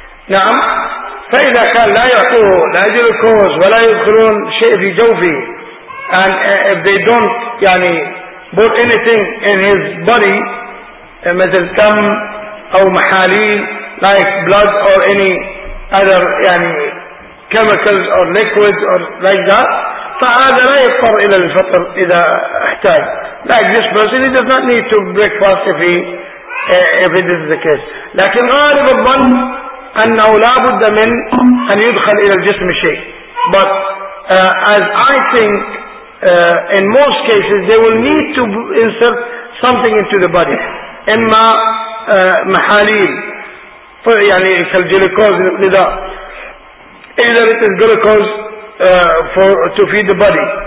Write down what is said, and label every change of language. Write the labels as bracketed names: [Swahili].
[Arabic] نعم فإذا كان لا يعطوه لا جلوكوز ولا يدخلون شيء في جوفه [English] and if they don't يعني put anything in his body [Arabic] مثل دم أو محاليل [English] like blood or any other يعني chemicals or liquids or like that [Arabic] فهذا لا يضطر إلى الفطر إذا احتاج [English] like this person he does not need to break fast if he if it is the case [Arabic] لكن غالب الظن أنه لا بد من أن يدخل إلى الجسم شيء. [English] But as I think, in most cases they will need to insert something into the body. [Arabic] إما محاليل يعني كالجلوكوز نداء. [English] Either it is glucose for to feed the body.